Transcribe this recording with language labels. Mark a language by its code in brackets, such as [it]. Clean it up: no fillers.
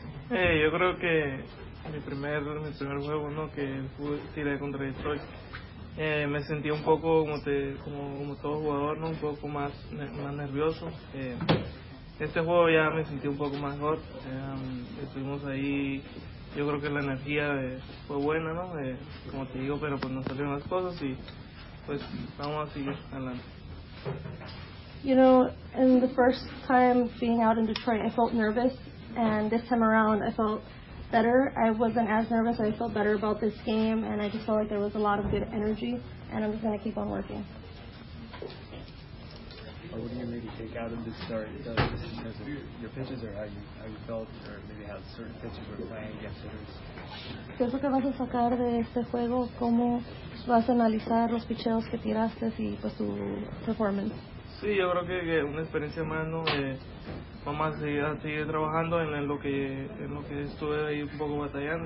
[es] Yo creo que mi primer juego, ¿no?, que tiré contra Detroit, me sentí un poco como todo jugador, ¿no?, un poco más nervioso. Este juego ya me sentí un poco mejor. Estuvimos ahí. Yo creo que la energía fue buena, ¿no? Como te digo, pero pues no salieron las cosas y pues vamos a seguir adelante. [en] You know, in the first time being out in Detroit, I felt nervous, and this time around I felt better. I wasn't as nervous, I felt better about this game, and I just felt like there was a lot of good energy, and I'm just going to keep on working. Or what do you maybe take out of this start? Just because of your pitches, or how you felt, or maybe how certain pitches were playing yesterday's? [es] ¿Qué es lo que vas a sacar de este juego? ¿Cómo vas a analizar los picheos que tiraste y pues tu performance? Sí, yo creo que una experiencia más, ¿no? Vamos a seguir trabajando en lo que estuve ahí un poco batallando.